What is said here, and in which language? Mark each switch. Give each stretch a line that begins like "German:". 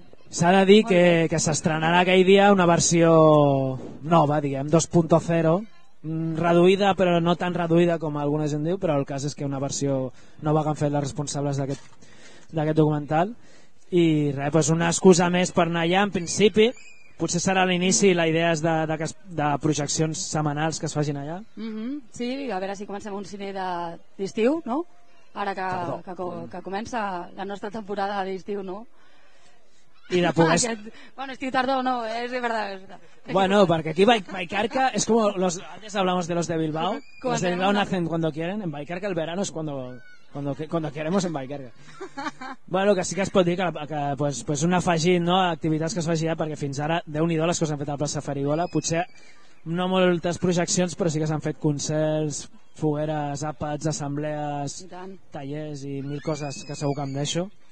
Catalan: S'ha de dir que s'estrenarà aquell dia una versió nova, diguem, 2.0, reduïda, però no tan reduïda com alguna gent diu, però el cas és que una versió nova que han fet les responsables d'aquest documental, i res, pues una excusa més per anar allà. En principi, potser serà l'inici, la idea és de projeccions setmanals que es facin allà. Mm-hmm. Sí, a veure si comencem un cine d'estiu, no? Ara que comença la nostra temporada d'estiu, no? I de poder... Aquest... Bueno, estic tardó, no, és verdad. Bueno, perquè aquí Vallcarca és com los...
Spanish: Antes hablamos de los de Bilbao. Los de Bilbao nacen cuando quieren. En Vallcarca el verano es cuando queremos en Vallcarca.
Catalan: Bueno, que sí que es pot dir que pues un afegit, no, a activitats que es faci ja, perquè fins ara, déu-n'hi-do les que s'han fet a la plaça Farigola. Potser no moltes projeccions, però sí que s'han fet concerts, fogueres, àpats, assemblees, tallers i mil coses que segur que em deixo.